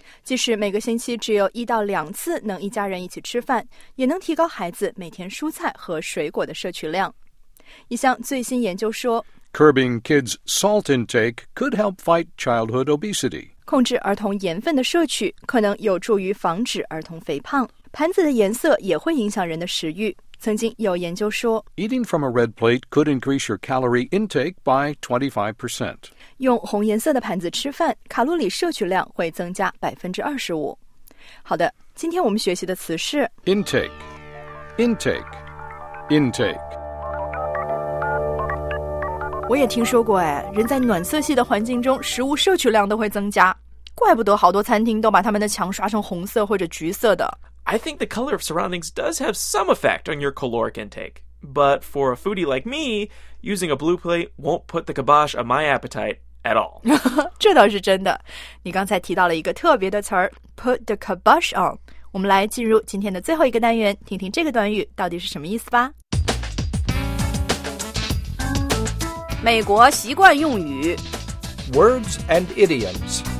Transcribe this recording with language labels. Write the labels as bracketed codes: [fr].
[zh] 即使每个星期只有一到两次能一家人一起吃饭,也能提高孩子每天蔬菜和水果的摄取量。一项最新研究说 [en] Curbing kids' salt intake could help fight childhood obesity. [zh] 控制儿童盐分的摄取可能有助于防止儿童肥胖。盘子的颜色也会影响人的食欲。曾经有研究说 [en] Eating from a red plate could increase your calorie intake by 25%. [zh] 用红颜色的盘子吃饭，卡路里摄取量会增加25%。好的，今天我们学习的词是 [en] Intake, intake, intake. [zh] 我也听说过哎，人在暖色系的环境中，食物摄取量都会增加，怪不得好多餐厅都把他们的墙刷成红色或者橘色的。 [en] I think the color of surroundings does have some effect on your caloric intake, but for a foodie like me, using a blue plate won't put the kibosh on my appetite at all. [zh] 这倒是真的。你刚才提到了一个特别的词儿 ， [en] put the kibosh on。 [zh] 我们来进入今天的最后一个单元，听听这个短语到底是什么意思吧。美国习惯用语 [en] Words and idioms